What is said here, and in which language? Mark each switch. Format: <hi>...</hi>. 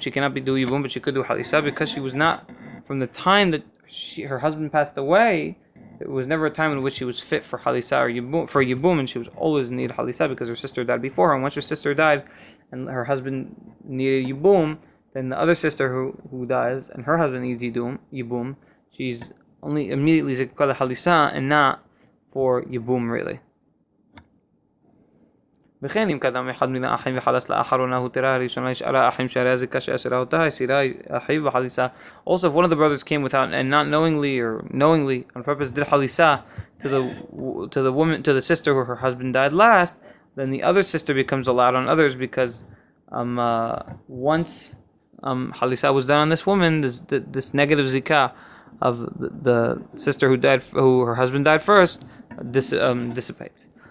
<en>She cannot do yibum, but she could do halisar because she was not, from the time that her husband passed away, it was never a time in which she was fit for halisar yibum, for yibum, and she was always in need of halisar because her sister died before her. And once her sister died, and her husband needed yibum, then the other sister who dies and her husband needs yibum, she's only immediately zekuka lehalisa and not for yibum really.</en> <he>וכן אם קדם אחד מן האחים וחלס לאחרונה הותרה הראשונה לשאר האחים שהרי הזיקה שאסרה אותה הסירה אחיו וחליסה.</he> <en>Also, if one of the brothers came without and not knowingly or knowingly on purpose did halisa to the woman, to the sister where her husband died last, then the other sister becomes allowed on others because once halisa was done on this woman, this negative zika of the sister who died, who her husband died first, dissipates.</en>